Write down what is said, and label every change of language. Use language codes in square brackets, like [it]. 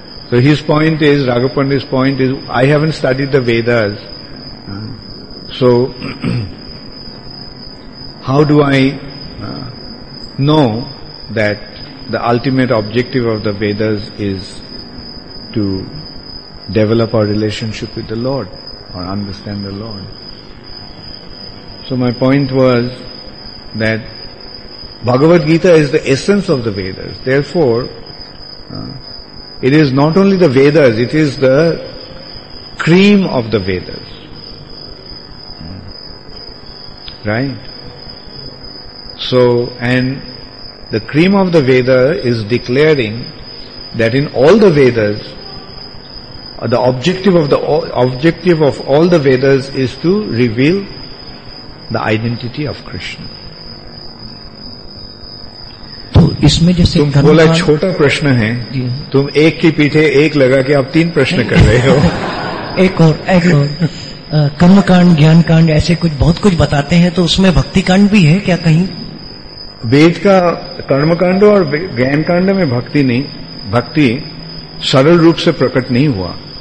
[en] So his point is, Raghav Pandit point is, I haven't study the Vedas, so how do I know that the ultimate objective of the Vedas is to develop our relationship with the lord और understand the lord. So my point was that Bhagavad Gita is the essence of the Vedas. Therefore, it is not only the Vedas, it is the cream of the Vedas. Right? So, and the cream of the Veda is declaring that in all the Vedas, the objective of all the Vedas is to reveal the identity of Krishna. [hi] तो इसमें जैसे तुम बोला छोटा प्रश्न है, तुम एक के पीछे एक लगा के अब तीन प्रश्न कर रहे हो. एक और कर्मकांड, ज्ञान कांड, ऐसे कुछ बहुत कुछ बताते हैं, तो उसमें भक्ति कांड भी है क्या कहीं? वेद का कर्मकांड और ज्ञान कांड में भक्ति नहीं, भक्ति सरल रूप से प्रकट नहीं हुआ.